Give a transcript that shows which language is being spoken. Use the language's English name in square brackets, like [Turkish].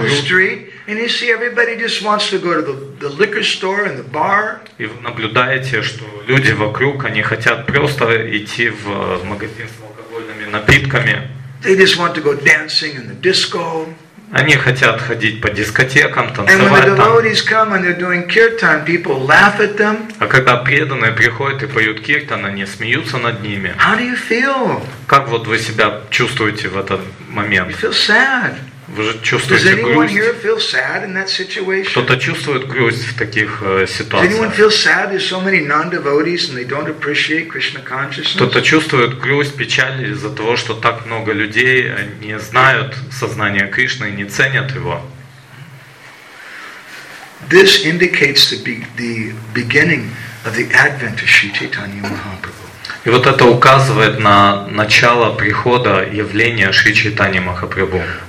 [English] When you go out on the street and you see everybody just wants to go to the liquor store and the bar. [Russian] И вы наблюдаете, что люди вокруг, они хотят просто идти в магазин с алкогольными напитками. [English] They just want to go dancing in the disco. [Russian] Они хотят ходить по дискотекам, танцевать там. [English] And when the devotees come and they're doing kirtan, people laugh at them. [Russian] А когда преданные приходят и поют киртан, они смеются над ними. [English] How do you feel? [Russian] Как вот вы себя чувствуете в этот момент? [English] You feel sad. [Russian] Вы же чувствуете [English] Does anyone [Russian] грусть? [English] Here feel sad in that situation? [Russian] Кто-то чувствует грусть в таких ситуациях? [English] Does anyone feel sad? There's so many non-devotees and they don't appreciate Krishna consciousness? [Russian] Кто-то чувствует грусть, печаль из-за того, что так много людей не знают сознание Кришны и не ценят его? [English] This indicates the beginning of the advent of Sri Chaitanya Mahaprabhu. [Russian] И вот это указывает на начало прихода явления Шри Чайтаньи Махапрабху.